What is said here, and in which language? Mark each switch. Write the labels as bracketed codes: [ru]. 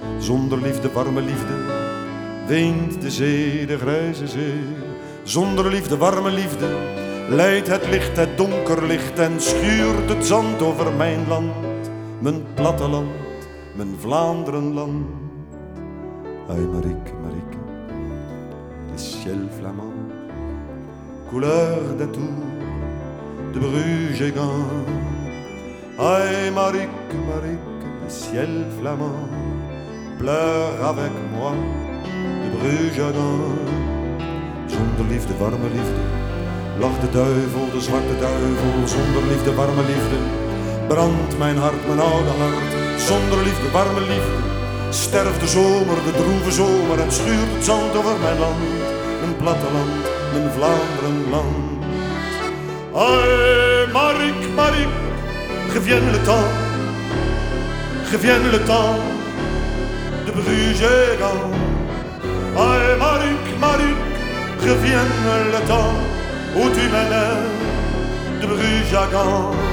[nl] Zonder liefde, warme liefde, weent de zee, de grijze zee. Zonder liefde, warme liefde, leidt het licht, het donker licht. En schuurt het zand over mijn land, mijn platteland, mijn Vlaanderenland. [fr] Ay, Marieke, Marieke, le ciel flamand, couleur de tour de Bruges et Gand. Ay, Marieke, Marieke, le ciel flamand, pleure avec moi de Bruges à Gand. [nl] Zonder liefde, warme liefde, lacht de duivel, de zwarte duivel. Zonder liefde, warme liefde, brandt mijn hart, mijn oude hart. Zonder liefde, warme liefde, sterft de zomer, de droeve zomer. En schuurt het zand over mijn land, mijn platteland, mijn Vlaanderenland. [fr] Ay, Marieke, Marieke, gevien le temps, gevien le temps. De Bruges et Gand. Ay, Marieke, Marieke, revienne le temps où tu m'aimais de Bruges à Gand.